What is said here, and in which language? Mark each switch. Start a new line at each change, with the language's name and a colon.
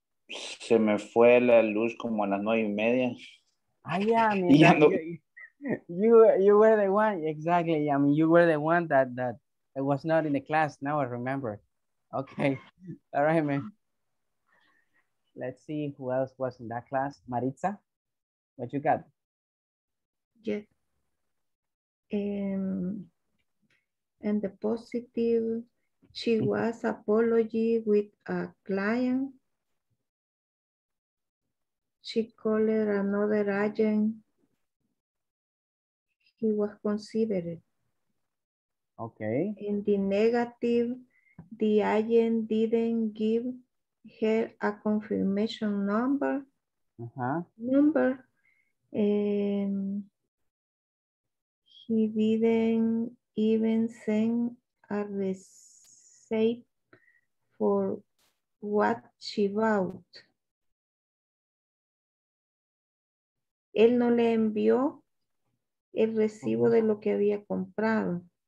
Spanish: Se me fue la luz como a las 9:30.
English: Ah, yeah, I mean, you were the one, exactly. I mean, you were the one that I was not in the class. Now I remember. Okay. All right, man. Let's see who else was in that class. Maritza, what you got? Yes. And the positive, she was apology with a client. She called another agent. He was considerate. Okay. In the negative, the agent didn't give her a confirmation number. Uh-huh. Number. And he didn't even send a receipt for what she bought.
Spanish: Él no le envió el recibo de lo que había comprado.